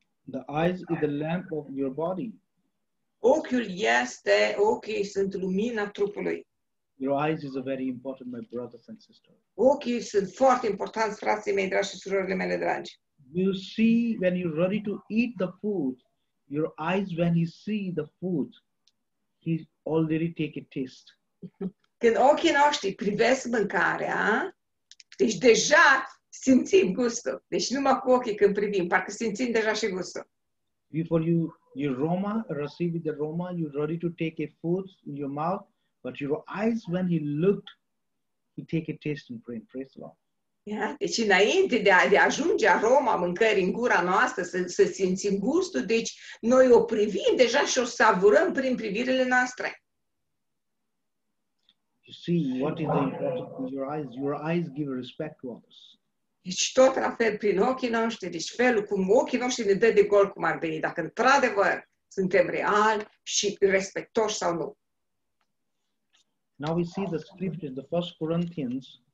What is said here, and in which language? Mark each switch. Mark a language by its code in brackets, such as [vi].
[en] The eyes is the lamp of your body. [ro] Ochiul este, ochii sunt lumina trupului. [en] Your eyes is a very important, my brothers and sisters. [ro] Ochii sunt foarte importanți, frații mei dragi și surorile mele dragi. [en] You see, when you're ready to eat the food, your eyes, when he see the food, he already take a taste. [ro] Când ochii noștri privesc mâncarea, deci deja simțim gustul. Deci numai cu ochii când privim, parcă simțim deja și gustul. [en] Before you aroma, receive the aroma, you're ready to take a food in your mouth, but your eyes, when he looked, he take a taste and pray, praise the Lord. [ro] Yeah, deci înainte de a ajunge aroma mâncării în gura noastră, să simțim gustul, deci noi o privim deja și o savurăm prin privirile noastre. [en] You see, what is the importance of your eyes? Your eyes give respect to others. [ro] Deci tot la fel prin ochii noștri, deci felul cum ochii noștri ne dă de gol cum ar veni, dacă într-adevăr suntem reali și respectoși sau nu. [en] Now we see the script in the 1 Corinthians.